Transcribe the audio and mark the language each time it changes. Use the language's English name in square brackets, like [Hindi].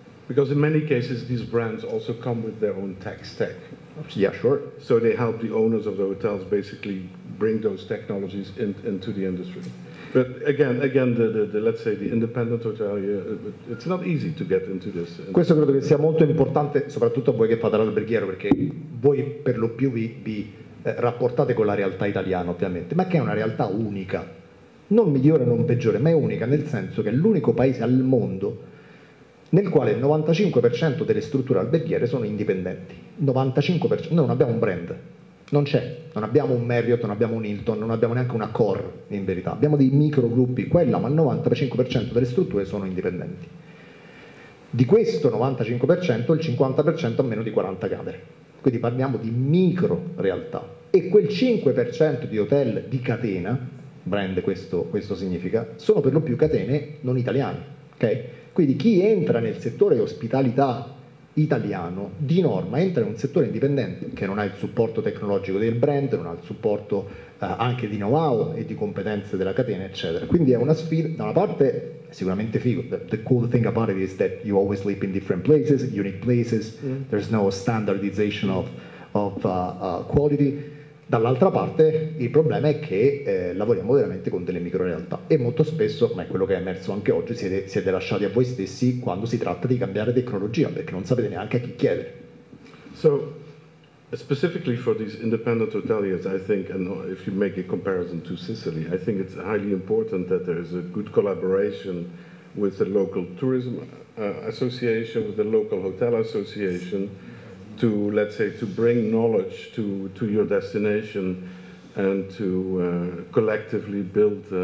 [English] Because in many cases, these brands also come with their own tech stack. Yeah, sure. So they help the owners of the hotels basically bring those technologies into the industry. But again the let's say the independent hotelier, it's not easy to get into this. [Italian] Questo credo che sia molto importante, soprattutto a voi che fate l'alberghiero, perché voi per lo più vi rapportate con la realtà italiana, ovviamente, ma che è una realtà unica. Non migliore, non peggiore, ma è unica, nel senso che è l'unico paese al mondo nel quale il 95% delle strutture alberghiere sono indipendenti. 95%. Noi non abbiamo un brand, non c'è. Non abbiamo un Marriott, non abbiamo un Hilton, non abbiamo neanche una Accor, in verità. Abbiamo dei microgruppi, quella, ma il 95% delle strutture sono indipendenti. Di questo 95%, il 50% ha meno di 40 camere. Quindi parliamo di micro realtà. E quel 5% di hotel di catena, brand questo significa, sono per lo più catene non italiane, ok? Quindi chi entra nel settore ospitalità italiano di norma entra in un settore indipendente che non ha il supporto tecnologico del brand, non ha il supporto anche di know-how e di competenze della catena, eccetera. Quindi è una sfida, da una parte è sicuramente figo. [English] The cool thing about it is that you always sleep in different places, unique places, there's no standardization of quality. [Italian] Dall'altra parte il problema è che lavoriamo veramente con delle micro realtà e molto spesso, ma è quello che è emerso anche oggi, siete lasciati a voi stessi quando si tratta di cambiare tecnologia perché non sapete neanche a chi chiedere. [English] So, specifically for these independent hoteliers, I think, and if you make a comparison to Sicily, I think it's highly important that there is a good collaboration with the local tourism association, with the local hotel association, to, let's say, to bring knowledge to your destination and to collectively build